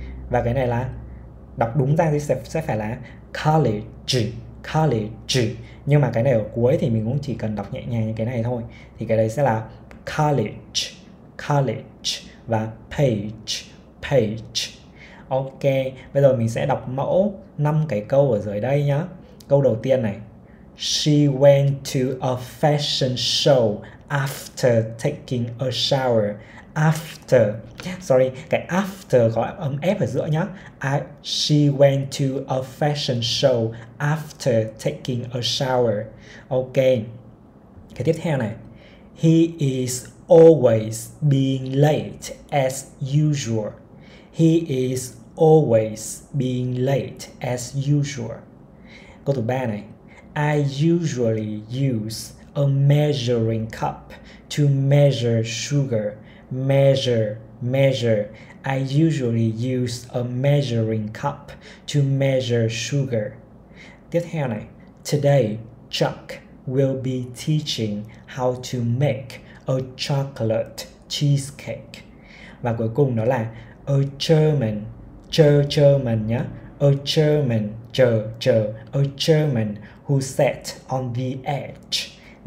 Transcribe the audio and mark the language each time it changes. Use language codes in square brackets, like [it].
[vi] Và cái này là đọc đúng ra thì sẽ phải là college, college. Nhưng mà cái này ở cuối thì mình cũng chỉ cần đọc nhẹ nhàng như cái này thôi, thì cái đấy sẽ là college, college. Và page, page. Ok, bây giờ mình sẽ đọc mẫu 5 cái câu ở dưới đây nhá. Câu đầu tiên này. [en] She went to a fashion show after taking a shower. After. [vi] Sorry, cái after có âm F ở giữa nhá. [en] She went to a fashion show after taking a shower. Ok. [vi] Cái tiếp theo này. [en] He is always being late as usual. He is always being late as usual. [vi] Câu thứ ba này. [en] I usually use a measuring cup to measure sugar. Measure, measure. I usually use a measuring cup to measure sugar. [vi] Tiếp theo này. [en] Today, Chuck will be teaching how to make a chocolate cheesecake. [vi] Và cuối cùng đó là [en] a German, [vi] chờ chờ mình nhá. [en] A German, [vi] chờ chờ. [en] A German who sat on the edge.